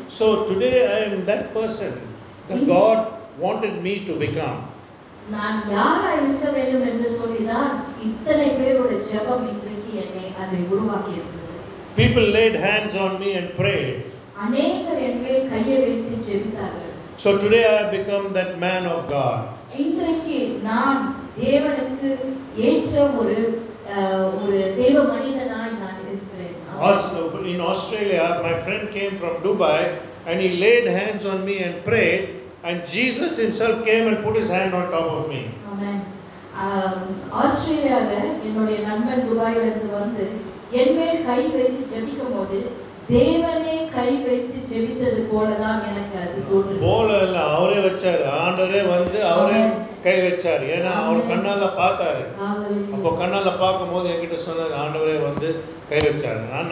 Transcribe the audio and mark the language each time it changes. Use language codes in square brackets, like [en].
[en] So today I am that person that God wanted me to become. [ta] நான் யாரா இருக்க வேண்டும் என்று சொல்லிதான் இத்தனை பேருடைய ஜெபம் இன்றைக்கு என்னை அதை உருவாக்கி இருக்கிறது. [en] People laid hands on me and prayed. [ta] அநேகர் என்னை கையை வைத்து ஜெபித்தார்கள். [en] So today I have become that man of God. [ta] இன்றைக்கு நான் தேவனுக்கு ஏற்ற ஒரு தேவ மனிதனாய் நான் இருக்கிறேன். [en] In Australia, my friend came from Dubai and he laid hands on me and prayed. And Jesus himself came and put his hand on top of me. Amen. [ta] ஆஸ்திரேலியால என்னுடைய நண்பர் துபாயில இருந்து வந்து என் மேல் கை வைத்து ஜெபிக்கும்போது தேவனே கை வைத்து ஜெபித்தது போல தான் எனக்கு அது தோன்றுது. போல இல்ல, அவரே வச்சாரு, ஆண்டவரே வந்து அவரே கை வச்சாரு. ஏன்னா அவர் கண்ணால பார்த்தாரு. அப்போ கண்ணால பார்க்கும் போது என்கிட்ட சொன்னது, ஆண்டவரே வந்து கை வச்சாரு.